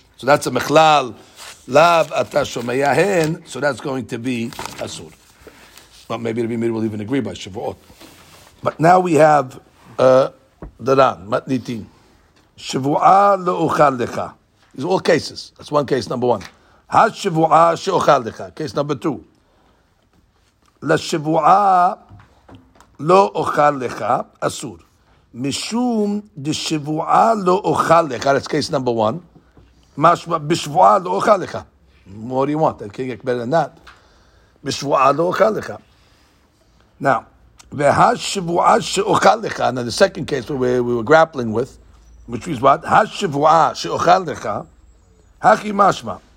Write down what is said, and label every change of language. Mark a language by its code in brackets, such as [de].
[en] So that's a mechlal, lav atashomayahen, so that's going to be asur. But maybe the Bimir will even agree by Shavuot. But now we have the Ran, matnitin. [he] Shavu'ah lo'uchal lecha. [en] These are all cases. That's one case, number one. [he] Ha-shavu'ah she'uchal lecha. [en] Case number two. [he] La-shavu'ah לא אוכל לך, אסור. משום דשבועה לא אוכל לך, [en] that's case number one. [he] משמע, בשבועה לא אוכל לך. [en] What do you want? I can't get better than that. [he] בשבועה לא אוכל לך. [en] Now, [he] והשבועה שאוכל לך, [en] now the second case where we were grappling with, which is what? [he] השבועה שאוכל לך, הכי משמע.